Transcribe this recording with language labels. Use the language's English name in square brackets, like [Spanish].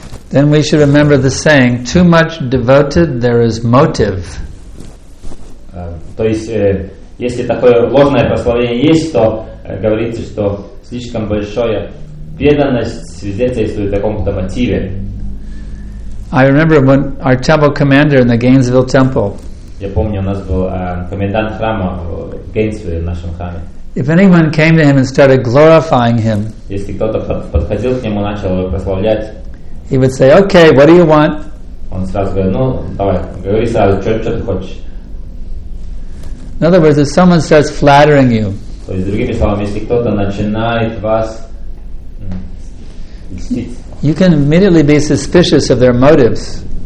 [English] Then we should remember the saying: too much devoted, there is motive. [Russian] То есть, если такое ложное прославление есть, то говорится, что слишком большая преданность свидетельствует о каком-то мотиве. [English] I remember when our temple commander in the Gainesville temple. [Russian] Я помню, у нас был комендант храма в Гейнсвилле, в нашем храме. [English] If anyone came to him and started glorifying him. [Russian] Если кто-то подходил к нему, начал его прославлять. [English] He would say, okay, what do you want? [Russian] Он сразу говорит, ну, давай, говори сразу, что ты хочешь. [English] In other words, if someone starts flattering you, [Russian] то есть, другими словами, если кто-то начинает вас льстить, [English] you can immediately be suspicious of their motives.